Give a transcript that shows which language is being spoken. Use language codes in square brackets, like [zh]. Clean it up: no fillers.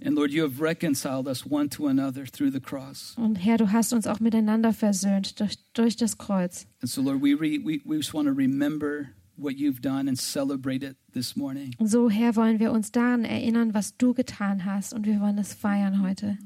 [en] And Lord, you have reconciled us one to another through the cross. [de] Und Herr, du hast uns auch miteinander versöhnt durch das Kreuz. [en] And so Lord, we just want to remember what you've done and celebrate it this morning. [de] So, Herr, wollen wir uns daran erinnern, was du getan hast, und wir wollen es feiern heute.